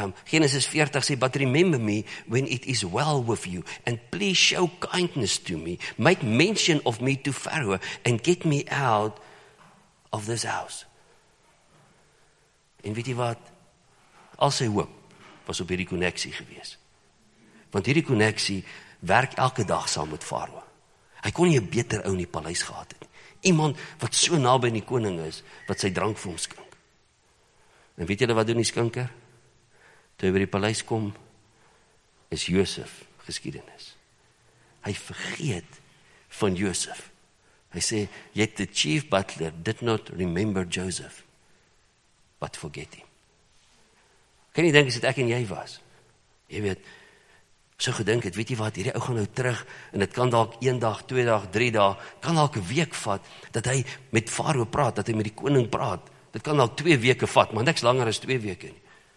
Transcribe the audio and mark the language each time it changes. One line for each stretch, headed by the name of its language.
Afrikaans: Genesis 40 sê,
English: but remember me when it is well with you, and please show kindness to me. Make mention of me to Farao, and get me out of this house.
Afrikaans: En weet jy wat? Al sy hoop was op hierdie koneksie gewees. Want hierdie koneksie werk elke dag saam met Farao. Hy kon nie 'n beter ou in die paleis gehad het. Iemand wat so naby in die koning is, wat sy drank vir hom skink. En weet julle wat doen die skinker? Toe hy by die paleis kom, is Josef geskiedenis. Hy vergeet van Josef. Hy sê,
English: yet the chief butler did not remember Joseph, but forget him.
Afrikaans: Kan jy dink as dit ek en jy was? Jy weet, so gedink het, weet jy wat, hierdie ou gaan nou terug, en het kan dalk 1 dag, 2 dag, 3 dag, kan dalk 1 week vat, dat hy met Farao praat, dat hy met die koning praat, dit kan dalk 2 weke vat, maar niks langer as 2 weke nie.